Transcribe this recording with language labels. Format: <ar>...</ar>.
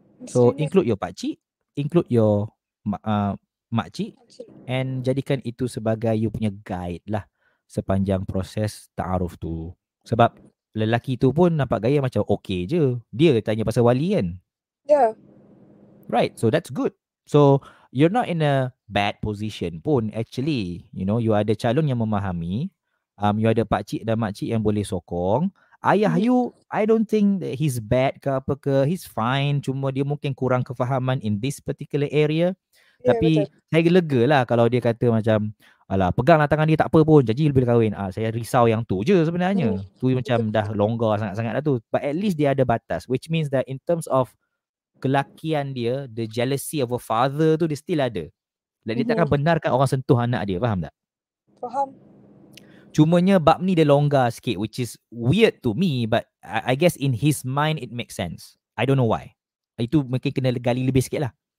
<en>So include your</en> <ms>pakcik,</ms> <en>include your</en> <ms>makcik and jadikan itu sebagai you punya guide lah sepanjang proses ta'aruf tu. Sebab lelaki tu pun nampak gaya macam okay je. Dia tanya pasal wali kan? Ya. Yeah.</ms> <en>Right, so that's good. So, you're not in a bad position pun actually. You know,</en> <ms>you ada calon yang memahami. You ada pakcik dan makcik yang boleh sokong.</ms> <en>Ayah you, I don't think that he's bad</en> <ms>ke apa ke.</ms> <en>He's fine.</en> <ms>Cuma dia mungkin kurang kefahaman</ms> <en>in this particular area.</en> <ms>Yeah, tapi, saya lega lah kalau dia kata macam, alah, peganglah tangan dia tak apa pun. Jadi, lebih kahwin. Saya risau yang tu je sebenarnya. Tu macam dah longgar sangat-sangat lah tu.</ms> <en>But at least</en> <ms>dia ada batas.</ms> <en>Which means that in terms of</en> <ms>kelakian dia,</ms> <en>the jealousy of a father tu,</en> <ms>dia still ada. Dan dia takkan benarkan orang sentuh anak dia. Faham tak? Faham. Cumanya bab ni dia longgar sikit,</ms> <en>which is weird to me, but I guess in his mind it makes sense. I don't know why.</en> <ms>Itu mungkin kena gali lebih sikit lah.</ms>